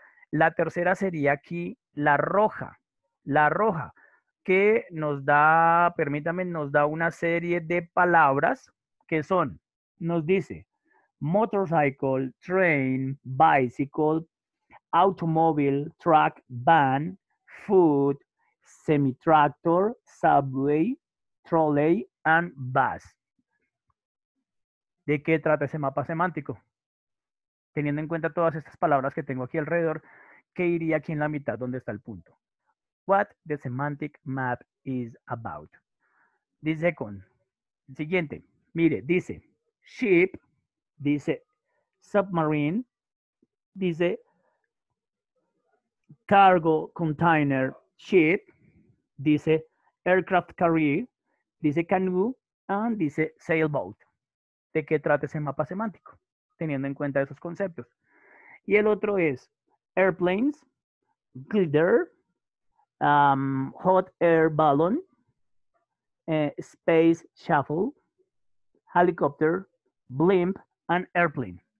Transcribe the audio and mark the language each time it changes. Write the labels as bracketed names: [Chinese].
[Spanish] La tercera sería aquí la roja, que nos da, permítanme, nos da una serie de palabras que son, nos dice, [English] motorcycle, train, bicycle, automóvil, truck, van, food, semitractor, subway, trolley and bus. [Spanish] ¿De qué trata ese mapa semántico? Teniendo en cuenta todas estas palabras que tengo aquí alrededor, ¿qué iría aquí en la mitad donde está el punto? [English] What the semantic map is about. [Spanish] Dice con siguiente. Mire, dice ship, dice [English] submarine, dice cargo container ship, dice aircraft carrier, dice canoe, and dice sailboat. [Spanish] ¿De qué trata ese mapa semántico? Teniendo en cuenta esos conceptos. Y el otro es [English] airplanes, glider, hot air balloon, space shuttle, helicopter, blimp, and airplane.